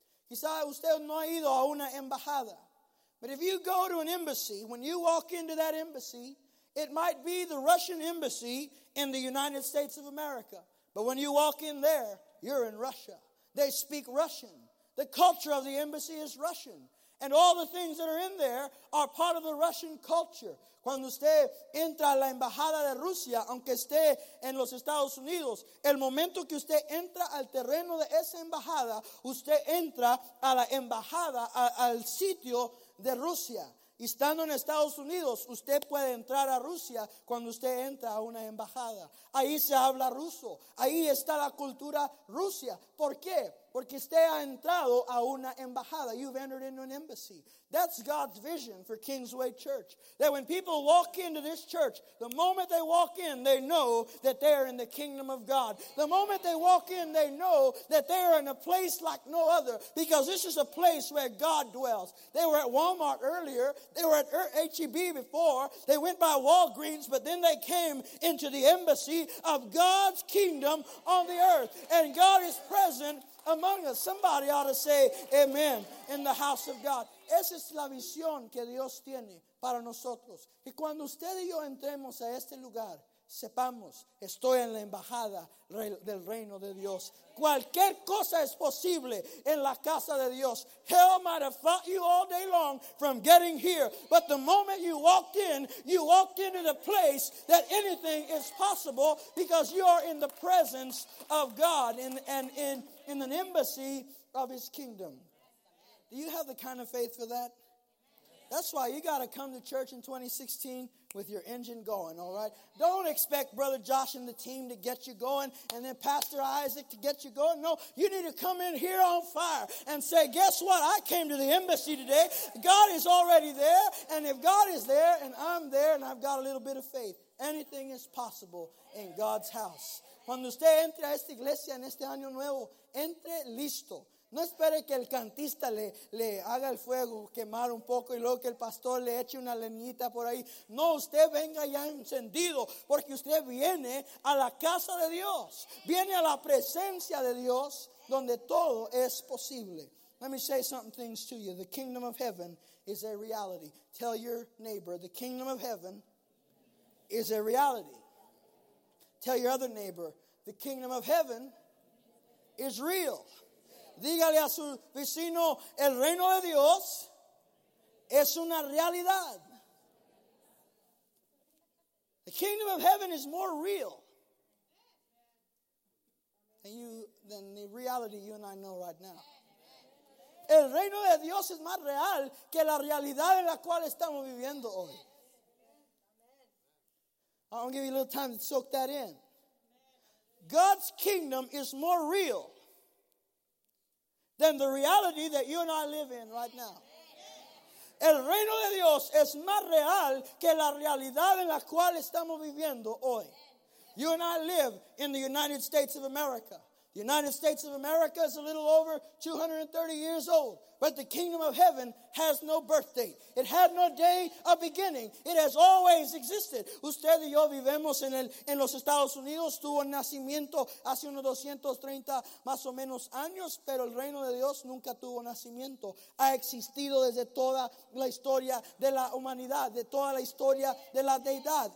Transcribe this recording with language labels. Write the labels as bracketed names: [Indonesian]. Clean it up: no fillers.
[Spanish] Quizá usted no ha ido a una embajada. [English] But if you go to an embassy, when you walk into that embassy, it might be the Russian embassy in the United States of America. But when you walk in there, you're in Russia. They speak Russian. The culture of the embassy is Russian. And all the things that are in there are part of the Russian culture. [Spanish] Cuando usted entra a la embajada de Rusia, aunque esté en los Estados Unidos, el momento que usted entra al terreno de esa embajada, usted entra a la embajada, al sitio de Rusia. Y estando en Estados Unidos, usted puede entrar a Rusia cuando usted entra a una embajada. Ahí se habla ruso. Ahí está la cultura Rusia. ¿Por qué? Porque usted ha entrado a una embajada. [English] You've entered into an embassy. That's God's vision for Kingsway Church. That when people walk into this church, the moment they walk in, they know that they are in the kingdom of God. The moment they walk in, they know that they are in a place like no other, because this is a place where God dwells. They were at Walmart earlier. They were at HEB before. They went by Walgreens, but then they came into the embassy of God's kingdom on the earth. And God is present among us. Somebody ought to say amen in the house of God. [Spanish] Esa es la visión que Dios tiene para nosotros. Y cuando usted y yo entremos a este lugar, sepamos, estoy en la embajada del reino de Dios. Cualquier cosa es posible en la casa de Dios. [English] Hell might have fought you all day long from getting here, but the moment you walked into the place that anything is possible, because you are in the presence of God in an embassy of his kingdom. Do you have the kind of faith for that? That's why you got to come to church in 2016 with your engine going, all right? Don't expect Brother Josh and the team to get you going and then Pastor Isaac to get you going. No, you need to come in here on fire and say, guess what? I came to the embassy today. God is already there. And if God is there and I'm there and I've got a little bit of faith, anything is possible in God's house. [Spanish] Cuando usted entre a esta iglesia en este año nuevo, entre listo. No espere que el cantista le haga el fuego quemar un poco y luego que el pastor le eche una leñita por ahí. No, usted venga ya encendido, porque usted viene a la casa de Dios. Viene a la presencia de Dios, donde todo es posible. [English] Let me say some things to you. The kingdom of heaven is a reality. Tell your neighbor, the kingdom of heaven is a reality. Tell your other neighbor, the kingdom of heaven is real. [Spanish] Dígale a su vecino, el reino de Dios es una realidad. [English] The kingdom of heaven is more real than the reality you and I know right now. [Spanish] El reino de Dios es más real que la realidad en la cual estamos viviendo hoy. [English] I'm going to give you a little time to soak that in. God's kingdom is more real than the reality that you and I live in right now. [Spanish] El reino de Dios es más real que la realidad en la cual estamos viviendo hoy. [English] You and I live in the United States of America. The United States of America is a little over 230 years old, but the kingdom of heaven has no birthday. It had no day of beginning. It has always existed. [Spanish] Usted y yo vivimos en los Estados Unidos. Tuvo nacimiento hace unos 230 más o menos años, pero el reino de Dios nunca tuvo nacimiento. Ha existido desde toda la historia de la humanidad, de toda la historia de la deidad.